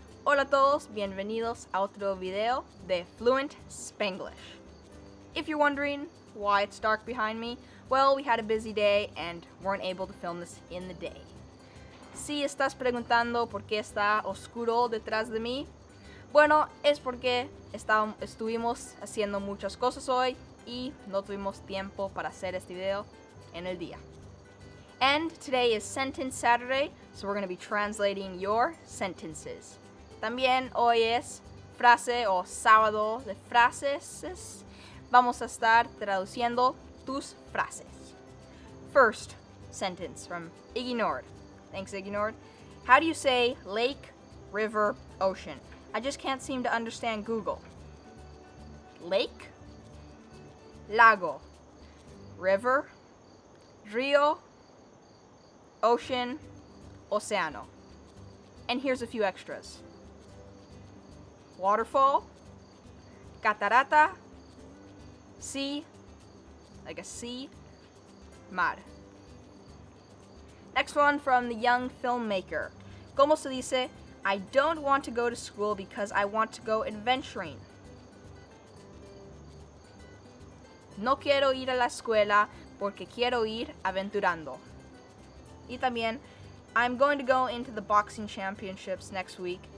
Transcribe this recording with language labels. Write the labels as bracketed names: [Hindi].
[Spanish] Hola a todos, bienvenidos a otro video de Fluent Spanglish. [English] If you're wondering why it's dark behind me, well, we had a busy day and weren't able to film this in the day. [Spanish] Si estás preguntando por qué está oscuro detrás de mí, bueno, es porque estuvimos haciendo muchas cosas hoy y no tuvimos tiempo para hacer este video en el día. [English] And today is Sentence Saturday, so we're going to be translating your sentences. [Spanish] También hoy es frase o sábado de frases. Vamos a estar traduciendo tus frases. [English] First sentence from Iggy Nord. [Spanish] Thanks, Iggy Nord. [English] How do you say lake, river, ocean? I just can't seem to understand Google. Lake, lago, river, río, ocean, océano. And here's a few extras. Waterfall, catarata, sea, like a sea, mar. Next one from the young filmmaker. [Spanish] ¿Cómo se dice? [English] I don't want to go to school because I want to go adventuring. [Spanish] No quiero ir a la escuela porque quiero ir aventurando. Y también, [English] I'm going to go into the boxing championships next week.